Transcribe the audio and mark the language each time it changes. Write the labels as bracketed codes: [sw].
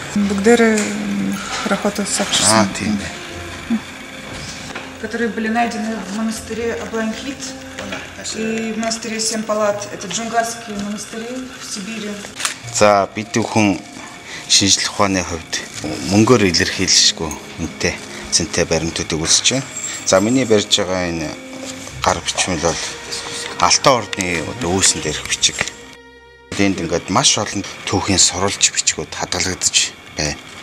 [mn] Бүгдээр хорохотос авчирсан. А тийм бай. [ru] Которые были найдены в монастыре Абланхит. И в монастыре Семпалат. Это джунгарские монастыри в Сибири. [mn] За, бид хүн шинжлэх ухааны хувьд мөнгөөр илэрхийлжгүй үнтэй цэнтэй баримтуудыг үзэж байна. За, миний барьж байгаа энэ гар бичмэл бол Алтай ордын үүсэнд ирэх бичиг. Тэнд ингээд маш олон түүхийн сурвалж бичгүүд хадгалагдаж байна.